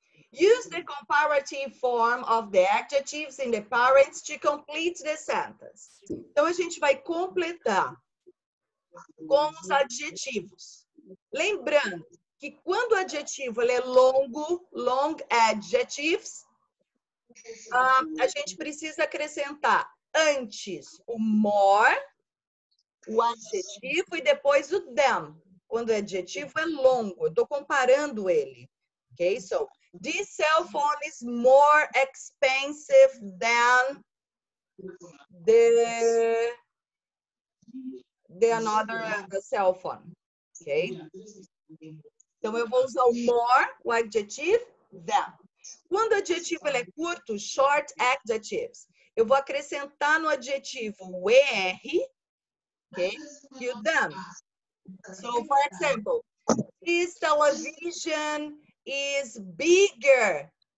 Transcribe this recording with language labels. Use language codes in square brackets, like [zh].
[en] Use the comparative form of the adjectives in the parents to complete the sentence. [pt] Então a gente vai completar com os adjetivos. Lembrando que quando o adjetivo ele é longo, long adjectives, a gente precisa acrescentar antes o more, o adjetivo e depois o them, quando o adjetivo é longo. Eu tô comparando ele. Ok? [en] So, this cell phone is more expensive than the another cell phone. Ok? [pt] Então, eu vou usar o more, o adjetivo, them. Quando o adjetivo ele é curto, short adjectives, eu vou acrescentar no adjetivo o er, [en] okay, you done. So, for example, this television is bigger